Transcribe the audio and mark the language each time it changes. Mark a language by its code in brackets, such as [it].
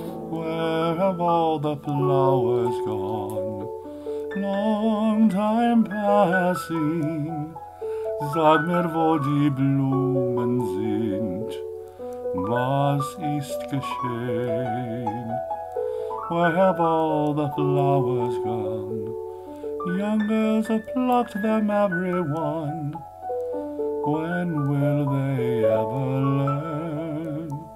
[en] Where have all the flowers gone? Long time passing. [de] Sag mir, wo die Blumen sind. Was ist geschehen? [en] Where have all the flowers gone? Young girls have plucked them, every one. When will they ever learn?